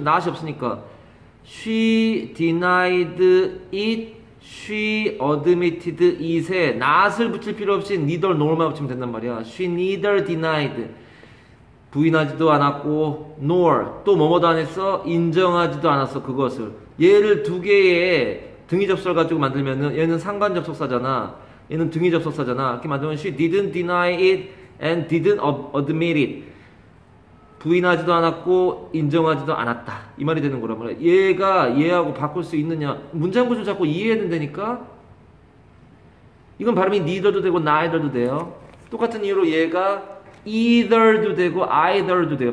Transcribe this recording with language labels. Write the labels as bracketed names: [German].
[Korean] not이 없으니까 [English] she denied it, she admitted it [Korean] 에 not을 붙일 필요 없이 neither nor만 붙이면 된단 말이야. she neither denied 부인하지도 않았고 nor 또 뭐뭐도 안 했어? 인정하지도 않았어 그것을. 얘를 두 개의 등이 접속사 가지고 만들면은 얘는 상관 접속사잖아. 얘는 등이 접속사잖아. 이렇게 만들면 [English] she didn't deny it and didn't admit it. [Korean] 부인하지도 않았고 인정하지도 않았다. 이 말이 되는 거란 말이야. 얘가 얘하고 바꿀 수 있느냐? 문장 구조 자꾸 이해해야 된다니까. 이건 발음이 neither도 되고 neither도 돼요. 똑같은 이유로 얘가 either도 되고 either도 돼요.